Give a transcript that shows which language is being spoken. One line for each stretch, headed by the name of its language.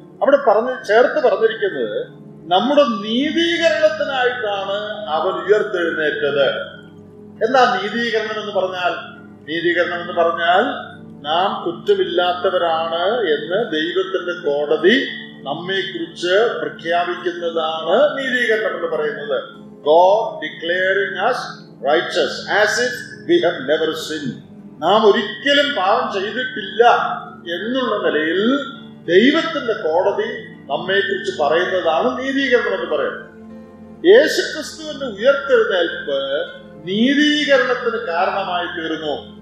Malayalam: അവിടെ പറഞ്ഞ് ചേർത്ത് പറഞ്ഞിരിക്കുന്നത് നമ്മുടെ നീതീകരണത്തിനായിട്ടാണ് അവൻ ഉയർത്തെഴുന്നേറ്റത്. എന്താ നീതീകരണം എന്ന് പറഞ്ഞാൽ? നീതീകരണം എന്ന് പറഞ്ഞാൽ നാം കുറ്റമില്ലാത്തവരാണ് എന്ന് ദൈവത്തിന്റെ കോടതി നമ്മെ കുറിച്ച് പ്രഖ്യാപിക്കുന്നതാണ് നീതീകരണം എന്ന് പറയുന്നത്.
English: God declaring us righteous as if we have never sinned.
Malayalam: നാം ഒരിക്കലും പാപം ചെയ്തിട്ടില്ല എന്നുള്ള നിലയിൽ ദൈവത്തിന്റെ കോടതി നമ്മെ കുറിച്ച് പറയുന്നതാണ് നീതീകരണം എന്ന് പറയുന്നത്. യേശു ക്രിസ്തുവിന്റെ ഉയർത്തെഴുന്നേൽപ്പ് നീതീകരണത്തിന് കാരണമായി തീരുന്നു.